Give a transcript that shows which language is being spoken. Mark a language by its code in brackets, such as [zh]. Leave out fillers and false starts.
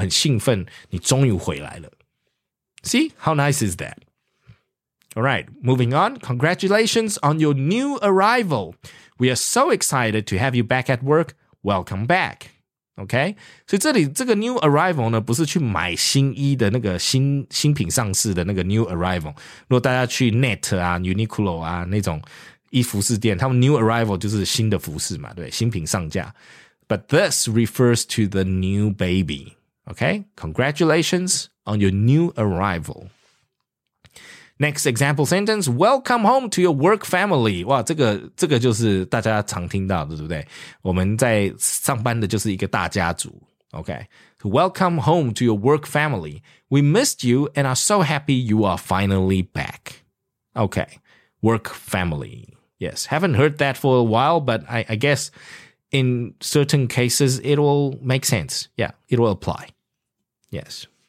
[zh] 因为当了妈妈嘛,所以就是,哇,你这个妈妈真棒,然后我们又很兴奋,你终于回来了。 [en] See, how nice is that? All right, moving on. Congratulations on your new arrival. We are so excited to have you back at work. Welcome back. Okay? [zh] 所以这里这个 new arrival呢, 不是去买新衣的那个新品上市的那个 new arrival. 如果大家去Net啊, Uniqlo啊, 那种衣服饰店, 他们 new arrival就是新的服饰嘛, 对, 新品上架。 [en] But this refers to the new baby. Okay? Congratulations on your new arrival. Next example sentence, welcome home to your work family. [zh] 哇,这个就是大家常听到的,对不对?我们在上班的就是一个大家族, okay? [en] So welcome home to your work family. We missed you and are so happy you are finally back. Okay, work family. Yes, haven't heard that for a while, but I guess in certain cases, it will make sense. Yeah, it will apply. Yes.